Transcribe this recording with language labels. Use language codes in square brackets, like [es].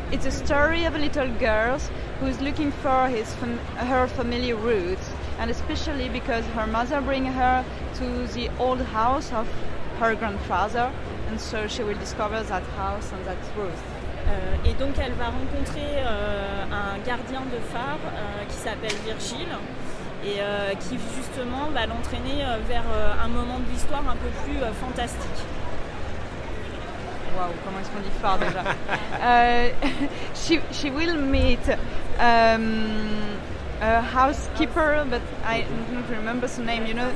[en] It's a story of a little girl who is looking for her family roots, and especially because her mother bring her to the old house of her grandfather. And so she will discover that house and that roof. [fr] Et donc elle va rencontrer un gardien de phare qui s'appelle Virgile et qui justement va l'entraîner vers un moment de l'histoire un peu plus fantastique. Wow, comment est-ce qu'on dit phare déjà? [en] she will meet a housekeeper, but I don't remember the name, you know?